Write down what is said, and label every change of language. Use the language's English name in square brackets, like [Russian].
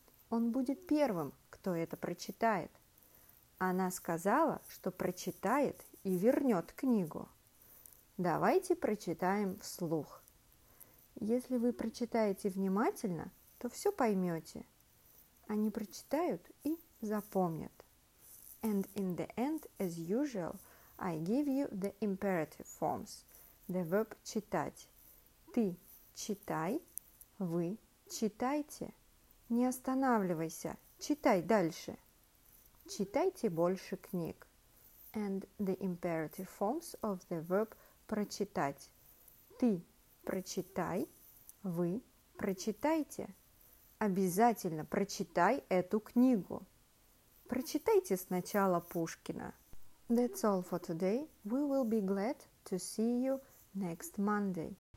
[Russian] Он будет первым, кто это прочитает. Она сказала, что прочитает и вернет книгу. Давайте прочитаем вслух. Если вы прочитаете внимательно, то все поймете. Они прочитают и запомнят. [English] And in the end, as usual, I give you the imperative forms. The verb [Russian] читать. Ты читай, вы читайте. Не останавливайся, читай дальше. Читайте больше книг. [English] And the imperative forms of the verb прочитать. [Russian] Ты прочитай, вы прочитайте. Обязательно прочитай эту книгу. Прочитайте сначала Пушкина. [English] That's all for today. We will be glad to see you next Monday.